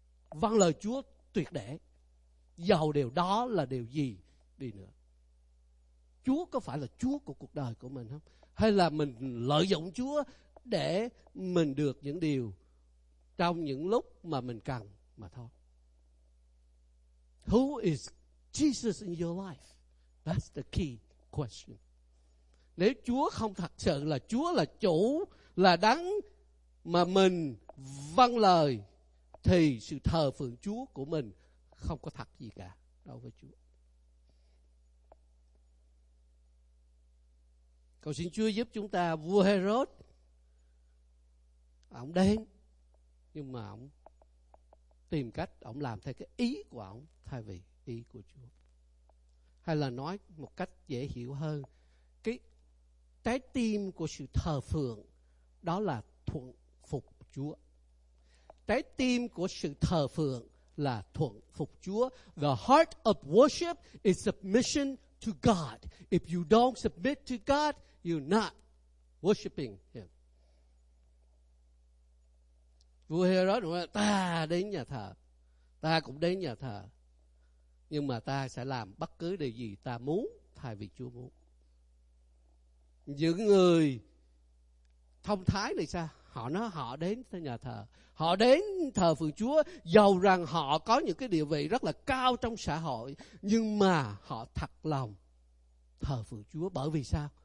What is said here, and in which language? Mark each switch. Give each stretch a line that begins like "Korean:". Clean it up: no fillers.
Vietnamese: Vâng lời Chúa tuyệt để. Dầu điều đó là điều gì đi nữa. Chúa có phải là Chúa của cuộc đời của mình không? Hay là mình lợi dụng Chúa để mình được những điều trong những lúc mà mình cần mà thôi.
English: Who is Jesus in your life? That's the key question.
Vietnamese: Nếu Chúa không thật sự là Chúa là chủ, là đấng mà mình vâng lời, thì sự thờ phượng Chúa của mình không có thật gì cả đối với Chúa. Cầu xin Chúa giúp chúng ta. Vua Herod, ông đến, nhưng mà ông tìm cách, ông làm theo cái ý của ông thay vì ý của Chúa. Hay là nói một cách dễ hiểu hơn, cái trái tim của sự thờ phượng đó là thuận phục Chúa. Trái tim của sự thờ phượng là thuận phục Chúa.
English: The heart of worship is submission to God. If you don't submit to God, you're not worshiping Him.
Vietnamese: Vua Herod nói, ta đến nhà thờ, ta cũng đến nhà thờ, nhưng mà ta sẽ làm bất cứ điều gì ta muốn thay vì Chúa muốn. Những người thông thái thì sao? Họ nói họ đến nhà thờ, họ đến thờ phượng Chúa, dầu rằng họ có những cái địa vị rất là cao trong xã hội, nhưng mà họ thật lòng thờ phượng Chúa. Bởi vì sao?